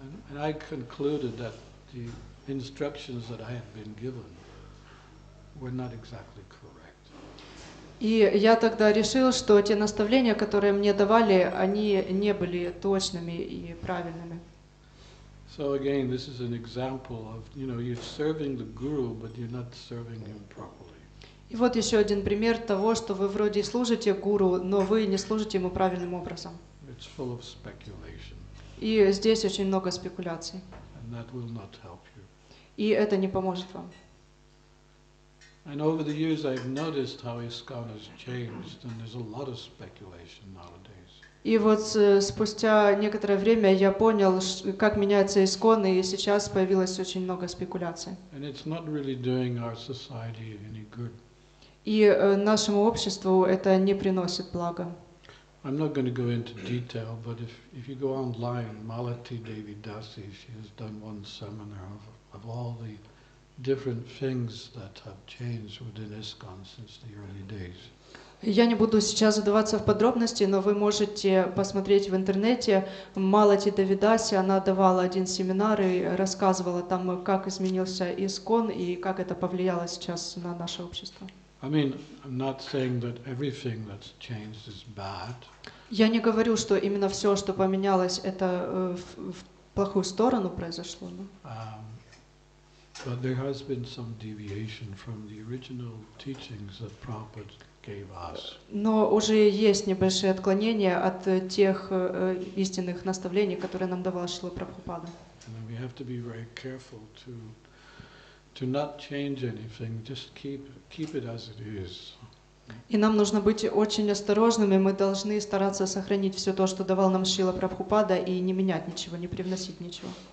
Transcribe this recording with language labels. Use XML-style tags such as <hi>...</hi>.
<en>And I concluded that the instructions that I had been given were not exactly correct.</en> <ru>И я тогда решил, что те наставления, которые мне давали, они не были точными и правильными.</ru> <en>So again, this is an example of, you know, you're serving the guru, but you're not serving him properly.</en> <ru>И вот еще один пример того, что вы вроде служите гуру, но вы не служите ему правильным образом.</ru> <en>It's full of speculation.</en> <ru>И здесь очень много спекуляций.</ru> <en>And that will not help you.</en> <ru>И это не поможет вам.</ru> <en>And over the years, I've noticed how ISKCON has changed, and there's a lot of speculation nowadays.</en> <ru>И вот спустя некоторое время я понял, как меняется ИСКCON, и сейчас появилось очень много спекуляций.</ru> <en>And it's not really doing our society any good.</en> <ru>И нашему обществу это не приносит блага.</ru> <en>I'm not going to go into detail, but if you go online, Malati Devi Dasi, she has done one seminar of all the different things that have changed within ISKCON since the early days.</en> <ru>Я не буду сейчас задаваться в подробности, но вы можете посмотреть в интернете. Малати Давидаси, она давала один семинар и рассказывала там, как изменился ИСКCON и как это повлияло сейчас на наше общество.</ru> <en>I mean, I'm not saying that everything that's changed is bad.</en> <ru>Я не говорю, что именно все, что поменялось, это в плохую сторону произошло.</ru> <en>But there has been some deviation from the original teachings that Prabhupada gave us.</en> <ru>Но уже есть небольшие отклонения от тех истинных наставлений, которые нам давал Шрила Прабхупада.</ru> <en>And we have to be very careful to not change anything, just keep it as it is.</en> <ru>И нам нужно быть очень осторожными, мы должны стараться сохранить все то, что давал нам Шрила Прабхупада, и не менять ничего, не привносить ничего.</ru>